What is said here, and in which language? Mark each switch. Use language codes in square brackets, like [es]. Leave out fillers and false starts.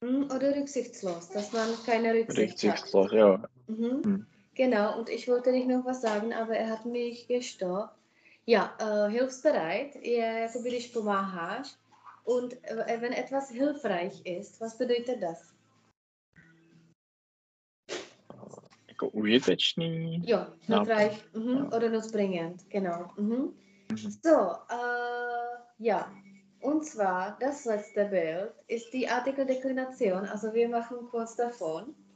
[de] Oder rücksichtslos, dass man keine Rücksicht rücksichtslos, hat. Rücksichtslos, ja. Mhm. Genau, und ich wollte nicht noch was sagen, aber er hat mich gestoppt. Ja, hilfsbereit [cs] je, jako by, když pomáháš. [de] Und wenn etwas hilfreich ist, was bedeutet das? [cs] Jako užitečný? [de] Jo, hilfreich, oder nutzbringend, genau. Mm-hmm. So, ja, und zwar das letzte Bild ist die Artikeldeklination, also wir machen kurz davon.